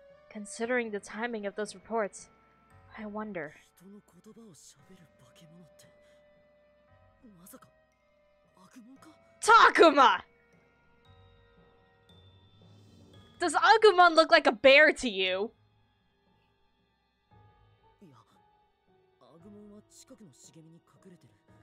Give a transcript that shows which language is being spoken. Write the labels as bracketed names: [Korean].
[English] Considering the timing of those reports, I wonder. [Japanese] 人の言葉を喋る化け物って、まさか悪魔か？ [English] Takuma! Does Agumon look like a bear to you? [Japanese] いや、アグモンは近くの茂みに隠れてる。